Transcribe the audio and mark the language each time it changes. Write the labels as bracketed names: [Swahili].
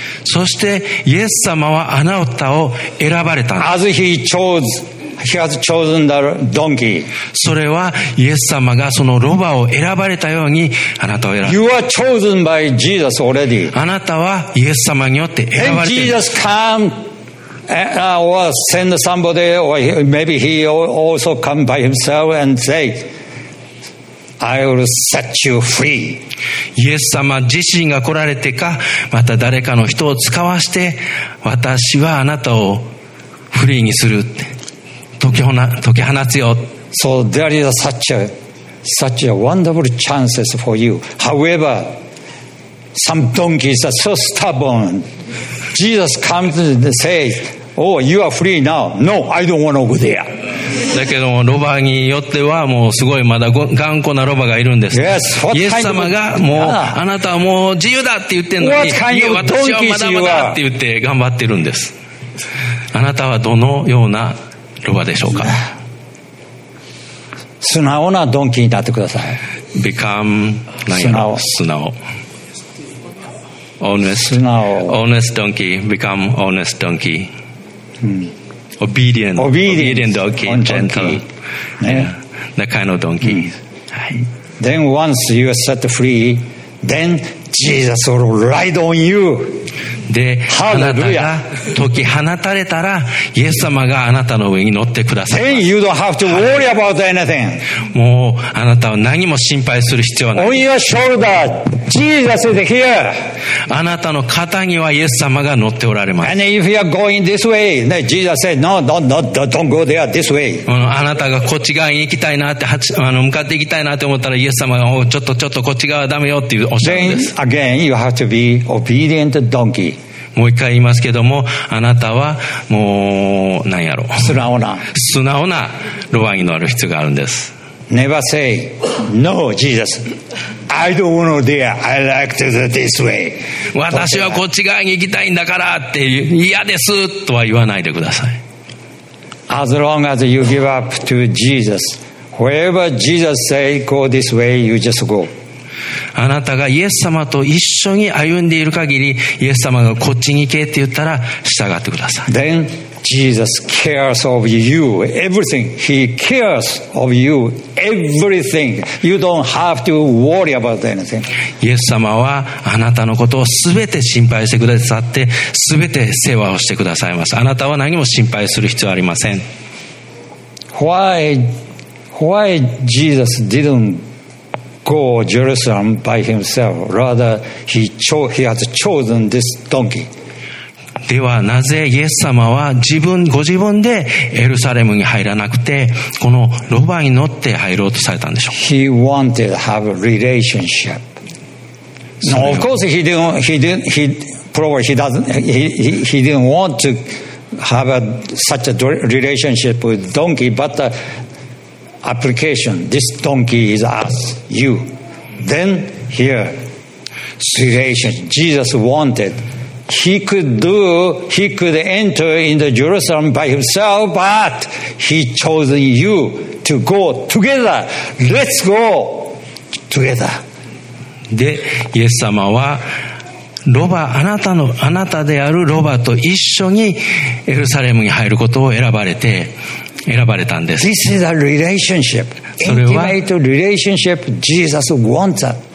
[Japanese] そしてイエス様はあなたを選ばれたんです。 [English] As he has chosen the donkey. [Japanese] それはイエス様がそのロバを選ばれたようにあなたを選ばれた。 [English] You are chosen by Jesus already. [Japanese] あなたはイエス様によって選ばれている。 [English] And Jesus come or send somebody or maybe he also come by himself and say, I will set you free. [Japanese] イエス様自身が来られてか、また誰かの人を使わして、私はあなたをフリーにするって。解き放つよ。 [English] So there is such a wonderful chances for you. However, some donkeys are so stubborn. Jesus comes and says, Oh, you are free now. No, I don't want to go there. [Japanese] だけどもロバによってはもうすごいまだ頑固なロバがいるんです。 [English] Yes, [Japanese] イエス様がもうあなたはもう自由だって言ってるのに、 [English] what kind of donkeys you are? [Japanese] 私はまだまだって言って頑張ってるんです。あなたはどのようなロバでしょうか。素直なドンキーになってください。 [English] Become [Japanese] 何やろ、素直。 [English] Honest, [Japanese] 素直。 [English] Honest donkey. Become honest donkey.、Obedient. Obedient donkey. Gentle. Donkey.、 Yeah. That kind of donkey.、 Then once you are set free, then Jesus will ride on you. [Japanese] で、あなたが解き放たれたら、イエス様があなたの上に乗ってくださいます。 [English] Then you don't have to worry about anything. [Japanese] もうあなたは何も心配する必要はない。 [English] On your shoulder, Jesus is here. [Japanese] あなたの肩にはイエス様が乗っておられます。 [English] And if you are going this way, then Jesus said, No, don't go there this way. [Japanese] あなたがこっち側に行きたいなって、向かって行きたいなって思ったら、イエス様が、ちょっとこっち側はダメよっていうおっしゃるんです。 [English] Then again, you have to be obedient donkey. [Japanese] もう一回言いますけども、あなたはもう何やろ、素直なロバに乗る必要があるんです。 [English] Never say No Jesus I don't want to go there I like to do this way [Japanese] 私はこっち側に行きたいんだからって、嫌ですとは言わないでください。 [English] As long as you give up to Jesus wherever Jesus say go this way you just go [Japanese] あなたがイエス様と一緒に歩んでいる限り、イエス様がこっちに行けって言ったら従ってください。 [English] Then Jesus cares of you, everything. He cares of you, everything. You don't have to worry about anything. [Japanese] イエス様はあなたのことをすべて心配してくださって、すべて世話をしてくださいます。あなたは何も心配する必要ありません。 [English] Why Jesus didn't go Jerusalem by himself. Rather, he has chosen this donkey. [Japanese] ではなぜイエス様は自分ご自分でエルサレムに入らなくてこのロバに乗って入ろうとされたんでしょう。 [English] He wanted to have a relationship. No, of course he didn't want to have such a relationship with donkey, but application. This donkey is us, you. Then here, relation. Jesus wanted. He could enter into Jerusalem by himself, but he chosen you to go together. Let's go together. [Japanese] で、イエス様はロバ、あなたであるロバと一緒にエルサレムに入ることを選ばれたんです。 [English] This is a relationship. [Japanese] それは、 [English] intimate relationship Jesus wants.